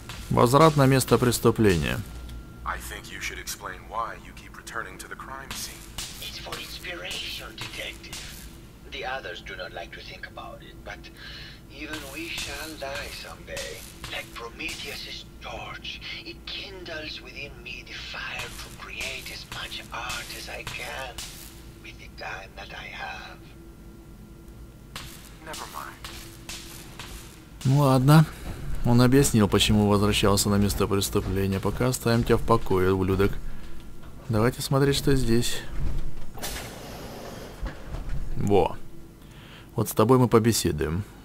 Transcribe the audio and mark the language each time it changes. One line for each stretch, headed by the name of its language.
Russian: Возврат на место преступления.
English: I think you should explain why you keep returning to the crime scene. It's for inspiration, detective. The others do not like to think about it, but even we shall die someday. Like Prometheus's torch, it kindles within me the fire to create as much art as I can with the time that I have. Never mind.
Russian: Ну ладно. Он объяснил, почему возвращался на место преступления. Пока оставим тебя в покое, ублюдок. Давайте смотреть, что здесь. Во. Вот с тобой мы побеседуем.